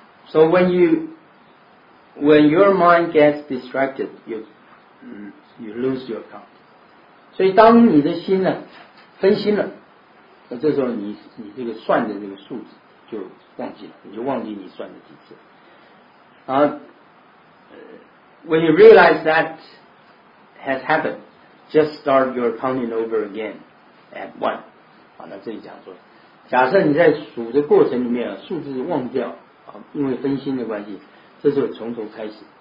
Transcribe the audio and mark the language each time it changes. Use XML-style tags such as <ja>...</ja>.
<en>So when your mind gets distracted, you lose your count.</en> <zh>所以当你的心呢分心了，那这时候你这个算的这个数字就忘记了，你就忘记你算的几次。</zh> <en>When you realize that has happened, just start your counting over again at one.</en> <zh>好，那这里讲说假设你在数的过程里面数字忘掉，因为分心的关系，这时候从头开始。</zh>